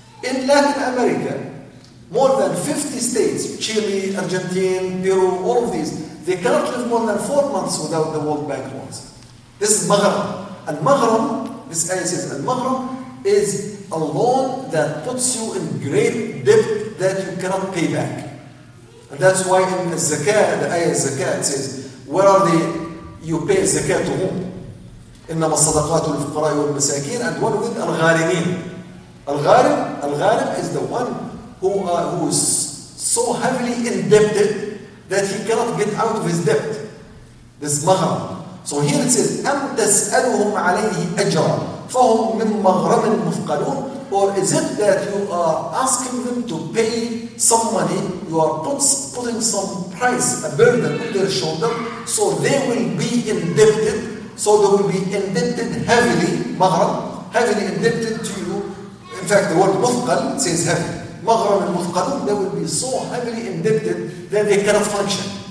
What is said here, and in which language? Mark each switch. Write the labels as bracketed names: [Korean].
[English] In Latin America, more than 50 states, Chile, Argentina, Peru, all of these, they cannot live more than 4 months without the World Bank loans. This is Maghreb. And Maghreb, this ayah says, and Maghreb is a loan that puts you in great debt that you cannot pay back. And that's why in the zakat, the ayah zakat says, where are they? You pay zakat to whom? [Arabic] إنما الصدقات للفقراء والمساكين [English] and one with [Arabic] الغارمين. [English] الغارم is the one who is so heavily indebted that he cannot get out of his debt. This مغرم. So here it says [Arabic] أم تسألهم عليه أجرا فهم من مغرم مثقلون. [English] Or is it that you are asking them to pay some money, you are putting some price, a burden on their shoulder, so they will be indebted. So they will be indebted heavily, maghram, heavily indebted to you. In fact, the word muthqal says heavy. Maghram and muthqalun, they will be so heavily indebted that they cannot function.